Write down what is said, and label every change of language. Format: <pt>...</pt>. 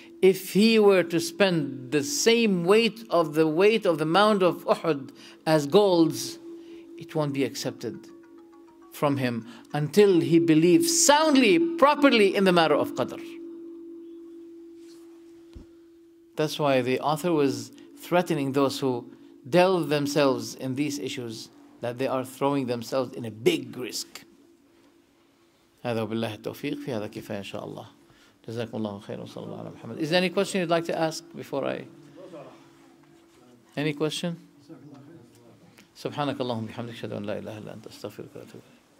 <en>If he were to spend the same weight of the mound of Uhud as golds, it won't be accepted from him until he believes soundly, properly in the matter of Qadr. That's why the author was threatening those who delve themselves in these issues that they are throwing themselves in a big risk.</en> <ar>هذا وبالله التوفيق في هذا كفاية إن شاء الله. جزاكم الله خير وصلى الله على محمد.</ar> <en>Is there any question you'd like to ask before I... Any question?</en> <ar>سبحانك اللهم بحمدك أشهد أن لا إله إلا أنت أستغفرك وأتوب إليك.</ar>